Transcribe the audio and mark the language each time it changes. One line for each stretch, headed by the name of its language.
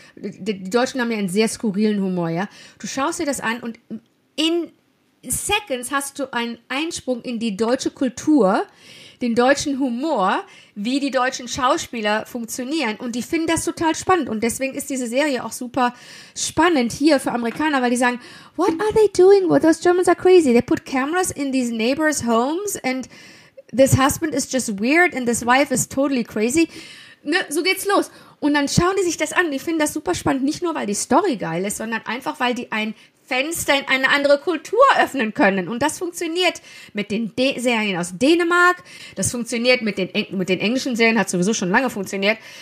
German: Die Deutschen haben ja einen sehr skurrilen Humor, ja. Du schaust dir das an und in Seconds hast du einen Einsprung in die deutsche Kultur, den deutschen Humor, wie die deutschen Schauspieler funktionieren. Und die finden das total spannend. Und deswegen ist diese Serie auch super spannend hier für Amerikaner, weil die sagen,
English: what are they doing? Well, those Germans are crazy. They put cameras in these neighbors' homes and this husband is just weird and this wife is totally crazy.
German: Ne, so geht's los. Und dann schauen die sich das an. Die finden das super spannend, nicht nur, weil die Story geil ist, sondern einfach, weil die ein Fenster in eine andere Kultur öffnen können. Und das funktioniert mit den Serien aus Dänemark. Das funktioniert mit den englischen Serien, hat sowieso schon lange funktioniert.